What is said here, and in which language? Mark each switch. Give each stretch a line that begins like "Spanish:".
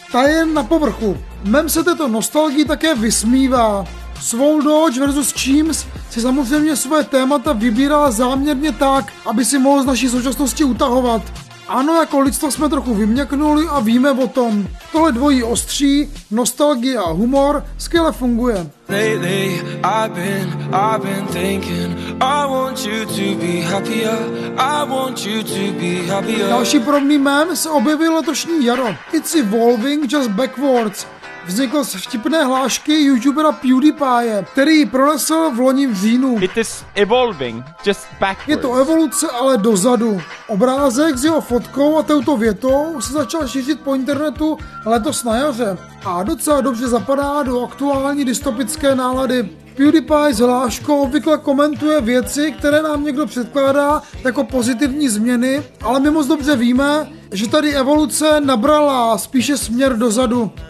Czech: Ta je na povrchu. Mem se této nostalgii také vysmívá. Swole Dodge versus Cheems si samozřejmě svoje témata vybírá záměrně tak, aby si mohl z naší současnosti utahovat. Ano, jako lidstvo jsme trochu vyměknuli a víme o tom. Tohle dvojí ostří, nostalgie a humor, skvěle funguje.
English: Lately, I've been thinking, I want you to be happier, I want you to be happier.
Czech: Další podobný mem se objevil letošní jaro.
English: It's evolving just backwards.
Czech: Vznikl z vtipné hlášky youtubera PewDiePie, který pronesl v loni v říjnu.
English: It is evolving, just backwards.
Czech: Je to evoluce, ale dozadu. Obrázek s jeho fotkou a touto větou se začal šířit po internetu letos na jaře a docela dobře zapadá do aktuální dystopické nálady. PewDiePie s hláškou obvykle komentuje věci, které nám někdo předkládá jako pozitivní změny, ale my moc dobře víme, že tady evoluce nabrala spíše směr dozadu.